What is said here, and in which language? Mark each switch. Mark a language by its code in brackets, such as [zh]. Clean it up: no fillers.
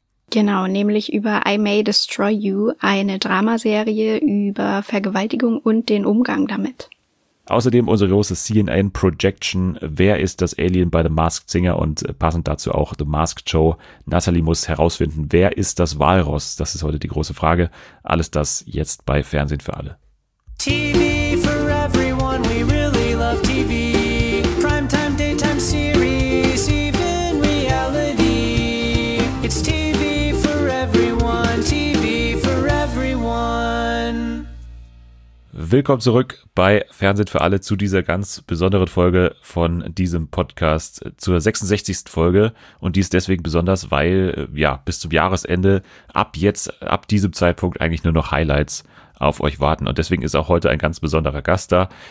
[de] Genau, nämlich über I May Destroy You, eine Dramaserie über Vergewaltigung und den Umgang damit. Außerdem unsere große CNN-Projection, wer ist das Alien bei The Masked Singer, und passend dazu auch The Masked Show. Natalie muss herausfinden, wer ist das Walross? Das ist heute die große Frage. Alles das jetzt bei Fernsehen für alle. [en] TV for everyone, we really love TV. Primetime, daytime series, even reality. It's TV for everyone, TV for everyone. [de] Willkommen zurück bei Fernsehen für alle zu dieser ganz besonderen Folge von diesem Podcast, zur 66. Folge. Und die ist deswegen besonders, weil ja bis zum Jahresende, ab jetzt, ab diesem Zeitpunkt eigentlich nur noch Highlights auf euch warten. Und deswegen ist auch heute ein ganz besonderer Gast da.